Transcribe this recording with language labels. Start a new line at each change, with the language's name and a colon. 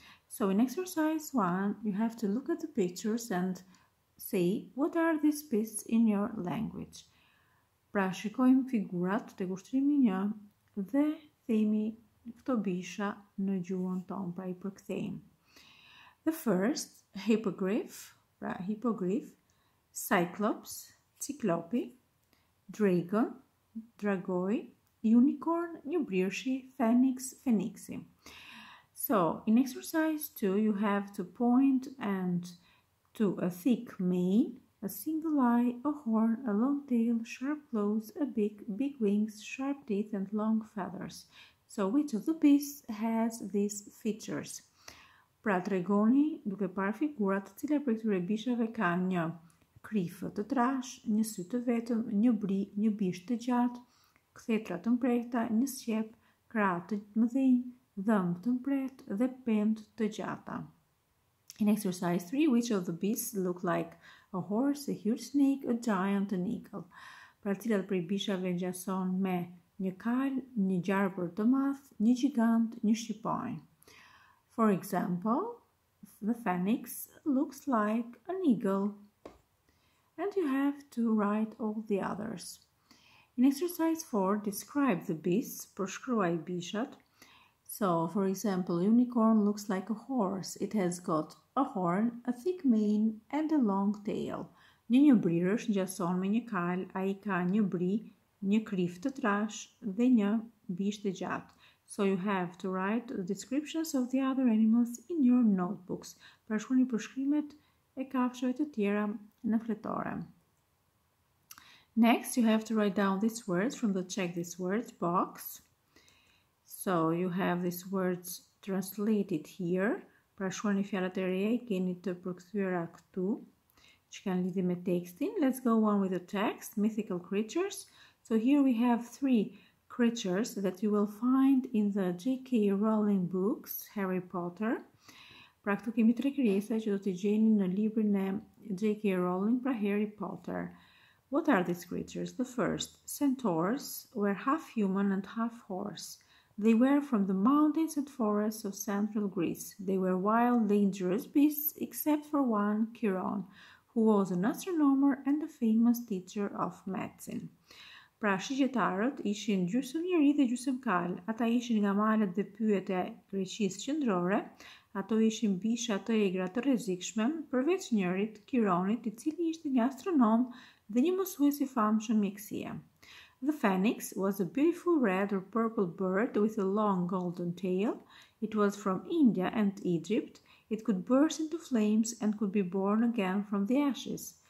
English: So in exercise 1, you have to look at the pictures and say what are these beasts in your language.
Albanian: Pra shikojmë figurat të kushtrimi 1 dhe themi këto bisha në gjuhën tonë, pra I përkthejmë.
English: The first, hippogriff, right, hippogriff, cyclops, ciclope, dragon, dragoi, unicorn, njëbrirshi, phoenix, phoenixi. So, in exercise 2, you have to point and to a thick mane, a single eye, a horn, a long tail, sharp claws, a beak, big wings, sharp teeth, and long feathers. So, which of the beasts has these features?
Albanian: Pra tregoni duke parë figurat cilat prej këtyre bishave kanë një krifë të trashë, një sy të vetëm, një bri, një bishë të gjatë, kthetra të mprehta, një sqep, krahë të mëdhenj, dhëmb të mpret dhe pemë të gjata.
English: In exercise 3, which of the beasts look like a horse, a huge snake, a giant, an eagle?
Albanian: Pra cilat prej bishave ngjason me një kal, një gjarpër të madh, një gjigant, një shqiponj?
English: For example, the phoenix looks like an eagle. And you have to write all the others. In exercise 4, describe the beasts,
Albanian: përshkruaj bishat.
English: So, for example, unicorn looks like a horse. It has got a horn, a thick mane, and a long tail.
Albanian: Një njëbrirësh gjason me një kal, a I ka njëbri, një krif të trash, dhe një bish të gjatë.
English: So you have to write the descriptions of the other animals in your notebooks.
Albanian: Pra shkruani përshkrimet e kafshëve të tjera në fletore.
English: Next, you have to write down these words from the check these words box. So you have these words translated here.
Albanian: Pra shkruani fjalët e reja I keni të përkthyera këtu, që kanë lidhje me tekstin.
English: Let's go on with the text, mythical creatures. So here we have three creatures that you will find in the J.K. Rowling books, Harry Potter.
Albanian: Pra këtu kemi tre krijesa që do të gjeni në librin e J.K. Rowling, pra Harry Potter.
English: What are these creatures? The first, centaurs were half human and half horse. They were from the mountains and forests of central Greece. They were wild, dangerous beasts, except for one, Chiron, who was an astronomer and a famous teacher of medicine.
Albanian: Pra, shigjetarët ishin gjysëm njeri dhe gjysëm kal, ata ishin nga malet dhe pyet e Greqisë qendrore, ato ishin bisha të egra të rrezikshme, përveç njërit, Chironit, I cili ishte një astronom dhe një mësues I famshëm mjekësie.
English: The phoenix was a beautiful red or purple bird with a long golden tail. It was from India and Egypt. It could burst into flames and could be born again from the ashes.